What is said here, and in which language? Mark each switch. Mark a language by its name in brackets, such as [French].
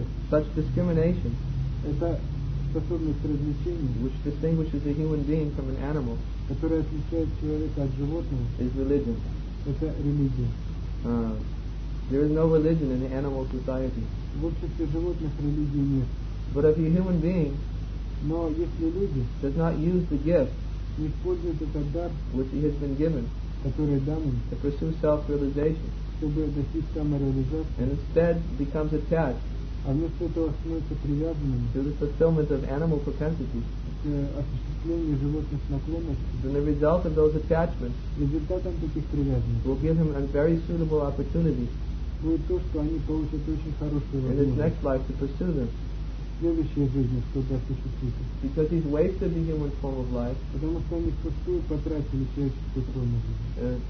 [English] Such discrimination, which distinguishes a human being from an animal, is religion. [Russian] Это религия. [English] There is no religion in the animal society. [Russian] В обществе животных религии нет. [English] But if a human being, [Russian] но если люди, [English] does not use the gift, [Russian] не использует этот дар, [English] which he has been given, [Russian] который дан им, [English] to pursue self-realization, [Russian] чтобы достичь самореализации, [English] and instead becomes attached, [Russian] а вместо этого становится привязанным, [English] to the fulfillment of animal propensities, then the result of those attachments will give him a very suitable opportunity in his next life to pursue them. [Russian] следующей жизни, чтобы осуществить. [English] Because he's wasted the human form of life. [Russian] Потому что они впустую потратили человеческую форму жизни.